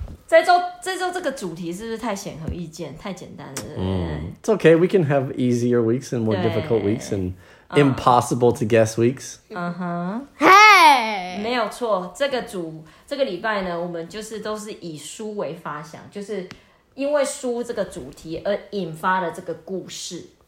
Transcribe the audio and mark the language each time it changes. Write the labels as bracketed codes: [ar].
[zh] 这周这个主题是不是太显而易见，太简单了？ [en] It's okay, we can have easier weeks and more difficult weeks and impossible to guess weeks. [zh] Hey! 没有错，这个礼拜呢，我们就是都是以书为发想，就是因为书这个主题而引发的这个故事。